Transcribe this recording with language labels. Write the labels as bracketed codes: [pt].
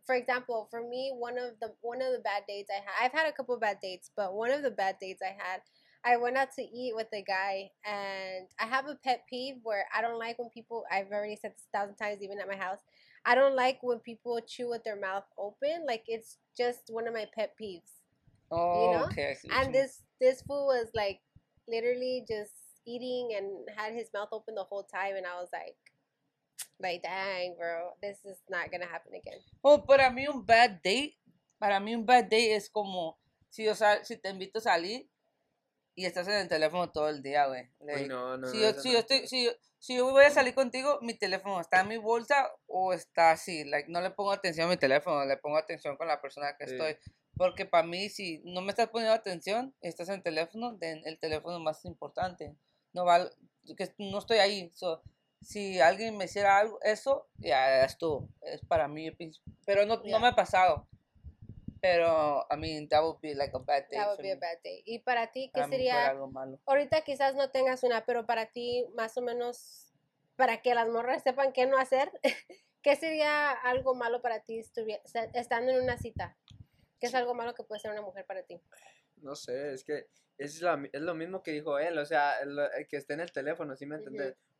[en] For example, for me, one of the bad dates I had, I've had a couple of bad dates, but one of the bad dates I had, I went out to eat with a guy, and I have a pet peeve where I don't like when people, I've already said this 1,000 times, even at my house, I don't like when people chew with their mouth open. Like, it's just one of my pet peeves. Oh, you know? Okay. I see. And this fool was like literally just eating and had his mouth open the whole time, and I was like, like, dang, bro, this is not gonna happen again. [es] Well, para mí un bad date es como si te invito a salir y estás en el teléfono todo el día, güey. [en] Like, no. [es] Si yo voy a salir contigo, mi teléfono está en mi bolsa o está así. Like, no le pongo atención a mi teléfono, le pongo atención con la persona que estoy. Porque para mí, si no me estás poniendo atención y estás en el teléfono, el teléfono más importante. No va, que no estoy ahí, so... Si alguien me hiciera algo, eso, ya, yeah, es tú. Es para mí. Pero no, yeah, no me ha pasado. [en] Pero, I mean, that would be like a bad date. That would be a bad date. [es] ¿Y para ti qué sería? Algo malo. Ahorita quizás no tengas una, pero para ti, más o menos, para que las morras sepan qué no hacer, ¿qué sería algo malo para ti estando en una cita? ¿Qué es algo malo que puede ser una mujer para ti? No sé, es que es lo mismo que dijo él. O sea, que esté en el teléfono, ¿sí me entiendes? Uh-huh.